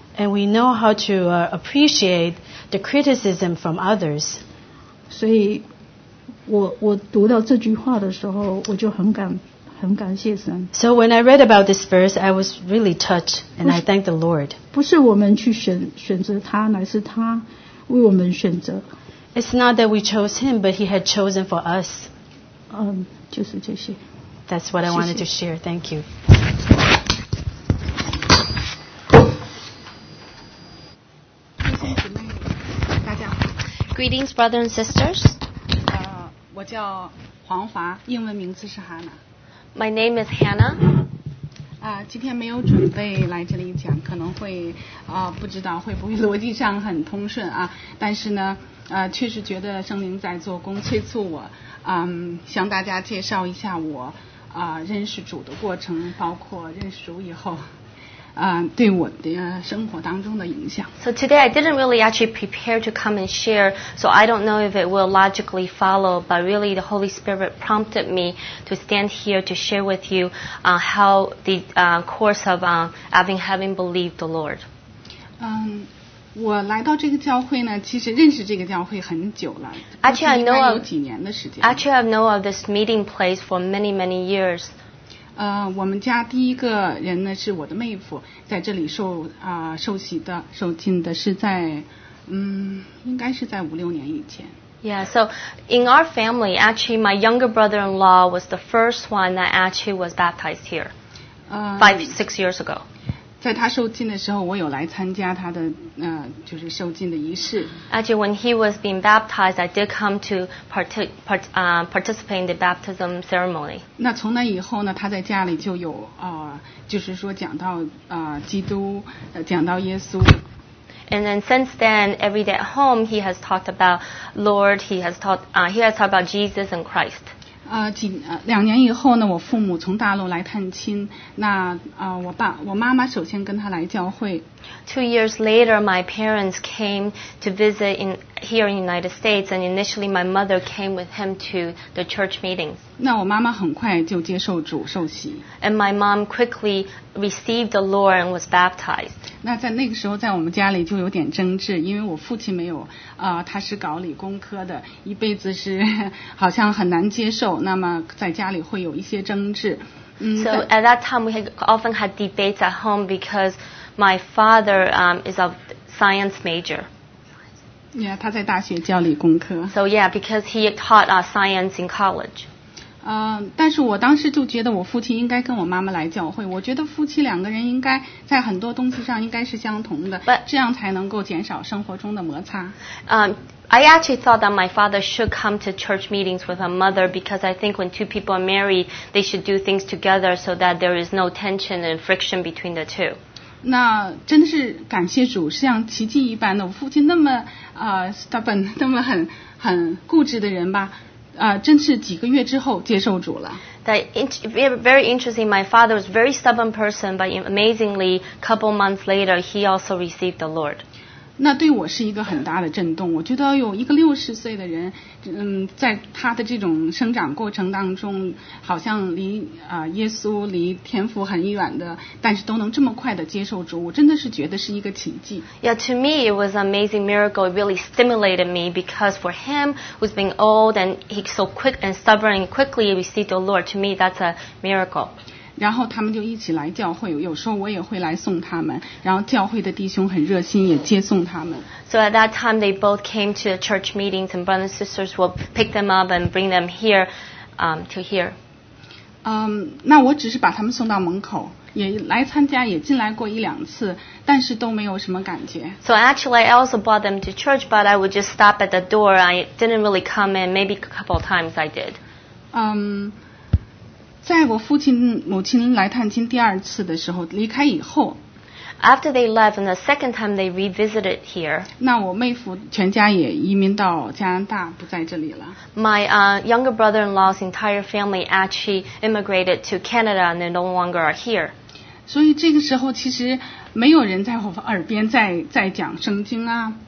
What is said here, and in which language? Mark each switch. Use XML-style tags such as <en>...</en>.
<en>And we know how to appreciate the criticism from others.</en> <zh>所以我读到这句话的时候，我就很感谢神。</zh> <en>So when I read about this verse, I was really touched, and I thanked the Lord.</en> <zh>不是我们去选择他，乃是他为我们选择。</zh> <en>It's not that we chose him, but he had chosen for us.</en> <zh>就是这些。</zh> <en>That's what I wanted to share. Thank you. Greetings, brothers and sisters.</en> <zh>我叫黄华，英文名字是 Hannah.</zh> <en>My name is Hannah.</en> <zh>今天没有准备来这里讲，可能会不知道会不会逻辑上很通顺啊，但是呢确实觉得圣灵在做工，催促我向大家介绍一下我认识主的过程，包括认识主以后对我的生活当中的影响。</zh> <en>So today I didn't really actually prepare to come and share, so I don't know if it will logically follow, but really the Holy Spirit prompted me to stand here to share with you how the course of having believed the Lord.</en> <zh>我来到这个教会呢，其实认识这个教会很久了。</zh> <en>Actually, I know of</en> <zh>几年的时间。</zh> <en>Actually, I know of this meeting place for many, many years.</en> <zh>我们家第一个人呢是我的妹夫，在这里受浸的是在，应该是在五六年以前。</zh> <en>Yeah, so in our family, actually, my younger brother-in-law was the first one that actually was baptized here, six years ago.</en> <zh>在他受浸的时候，我有来参加他的就是受浸的仪式。</zh> <en>Actually, when he was being baptized, I did come to participate in the baptism ceremony.</en> <zh>那从那以后呢，他在家里就有就是说讲到基督，讲到耶稣。</zh> <en>And then since then, every day at home, he has talked about Lord. He has talked about Jesus and Christ.</en> <zh>两年以后呢，我父母从大陆来探亲。那我妈妈首先跟他来教会。</zh> <en>Two years later, my parents came to visit here in the United States, and initially my mother came with him to the church meetings.</en> <zh>那我妈妈很快就接受主受洗。</zh> <en>And my mom quickly received the Lord and was baptized.</en> <zh>那在那个时候，在我们家里就有点争执，因为我父亲没有他是搞理工科的，一辈子是好像很难接受，那么在家里会有一些争执。</zh> <en>So at that time, we often had debates at home because my father is a science major.</en> <zh>Yeah, 他在大学教理工科。</zh> <en>So yeah, because he taught science in college.</en> <zh>但是我当时就觉得我父亲应该跟我妈妈来教会。我觉得夫妻两个人应该在很多东西上应该是相同的，</zh> <en>but,</en> <zh>这样才能够减少生活中的摩擦。</zh> <en>I actually thought that my father should come to church meetings with her mother because I think when two people are married, they should do things together so that there is no tension and friction between the two.</en> <zh>那真的是感谢主，像奇迹一般的，我父亲那么stubborn, 那么很固执的人吧，真是几个月之后接受主了。</zh> <en>That very interesting. My father was a very stubborn person, but amazingly, couple months later, he also received the Lord.</en> <zh>那对我是一个很大的震动，我觉得有一个六十岁的人，在他的这种生长过程当中，好像离耶稣、离天父很远的，但是都能这么快的接受主，我真的是觉得是一个奇迹。</zh> <en>Yeah, to me it was an amazing miracle. It really stimulated me because for him who's been old and he's so quick and stubborn and quickly received the Lord, to me that's a miracle.</en> <zh>然后他们就一起来教会，有时候我也会来送他们，然后教会的弟兄很热心也接送他们。</zh> <en>So at that time they both came to church meetings and brothers and sisters will pick them up and bring them here to here.</en> <zh>那我只是把他们送到门口，也来参加，也进来过一两次，但是都没有什么感觉。</zh> <en>So actually I also brought them to church but I would just stop at the door. I didn't really come in, maybe a couple of times I did.</en> <zh>在我父亲母亲来探亲第二次的时候，离开以后</zh> <en>After they left and the second time they revisited here,</en> <zh>那我妹夫全家也移民到加拿大，不在这里了。</zh> <en>My younger brother-in-law's entire family actually immigrated to Canada and they no longer are here.</en> <zh>所以这个时候其实没有人在我耳边在讲圣经啊。</zh>